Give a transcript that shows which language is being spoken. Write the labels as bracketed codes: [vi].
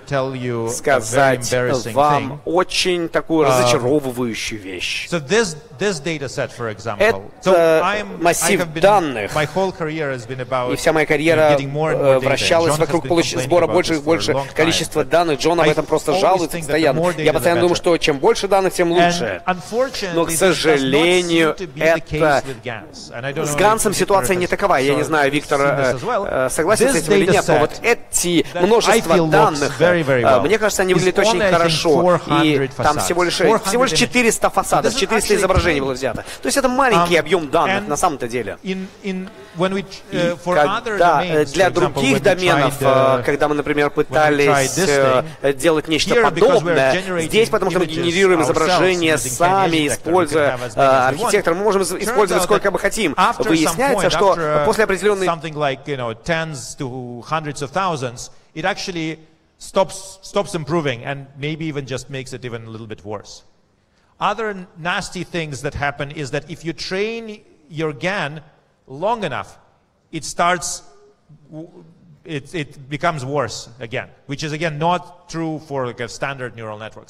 [en] tell you a very embarrassing thing. So this data set, for example, my whole career has been about getting more and more data. John has been complaining about this for a long time. [ru] Но, к сожалению, это с Гансом ситуация не такова. Я не знаю, Виктор согласен с этим или нет, но вот эти множество данных, мне кажется, они выглядят очень хорошо. И там всего лишь 400 фасадов, 400 изображений было взято. То есть это маленький объем данных на самом-то деле. Когда для других доменов, когда мы, например, пытались делать нечто подобное, здесь, потому что мы генерируем изображения сами, используя архитектор, мы можем использовать сколько мы хотим. Выясняется, что после определенной... [en] Stops improving and maybe even just makes it even a little bit worse. Other nasty things that happen is that if you train your GAN long enough, it starts it becomes worse again, which is again not true for like a standard neural network.